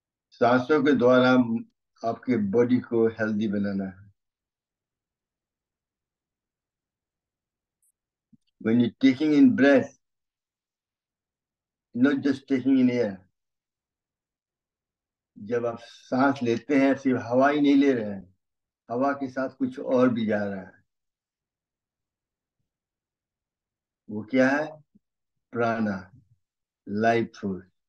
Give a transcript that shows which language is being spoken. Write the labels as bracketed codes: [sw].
[hi] सांसों के द्वारा आपके बॉडी को हेल्दी बनाना है. [en] When you're taking in breath, not just taking in air. [hi] जब आप सांस लेते हैं सिर्फ हवा ही नहीं ले रहे हैं, हवा के साथ कुछ और भी जा रहा है. वो क्या है? प्राणा, [en] Life force.